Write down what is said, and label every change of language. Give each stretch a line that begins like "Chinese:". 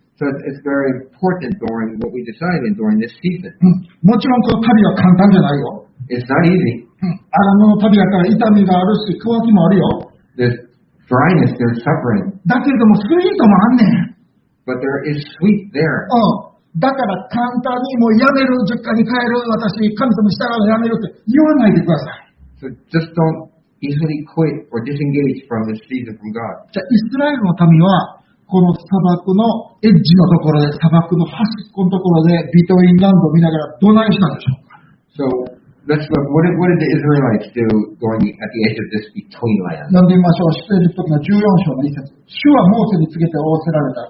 English: So it's very important during what we decide during this season.
Japanese: もちろんこの旅は簡単じゃないよ。
English: It's not easy.
Japanese: アラノの旅だから痛みがあるし、渇きもあるよ。
English: There's dryness, there's suffering.
Japanese: だけれどもスイートもあんねん。
English: But there is sweet there.
Japanese: だから簡単にもうやめる、実家に帰る、私、神様したらやめるって言わないでください。
English: So just don't easily quit or disengage from this season from God.
Japanese: じゃあイスラエルの民は、この砂漠のエッジのところで、砂漠の端っこのところで、ビトインランドを見ながらどないしたんでしょうか。
English: So,Let's look, what did the Israelites do going at the edge of this between land?
Japanese: 読んでみましょう。出エジプト記の14章の一節。主はモーセに告げて仰せられた。